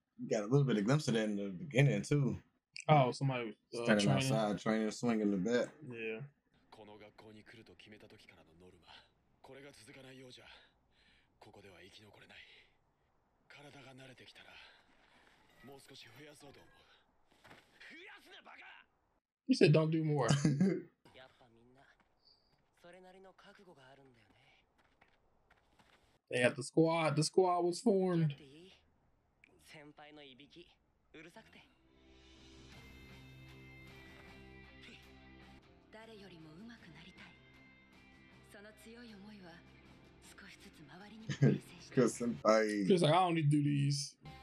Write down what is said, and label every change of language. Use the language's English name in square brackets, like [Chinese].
[English] Got a little bit of glimpse of that in the beginning, too. Oh, somebody standing outside training, swinging the bat. Yeah. [Japanese] この学校に来ると決めた時からのノルマ。これが続かないようじゃ、ここでは生き残れない。体が慣れてきたら、もう少し増やそうと思う。増やすなバカ。 [English] He said, "Don't do more." [Japanese] やっぱみんなそれなりの覚悟があるんだよね。 [English] They had the squad. The squad was formed. [Japanese] 先輩のいびきうるさくて。誰よりも上手くなりたい。その強い思いは少しずつ周りにも伝染して。 [English] Cause like, I don't need to do these.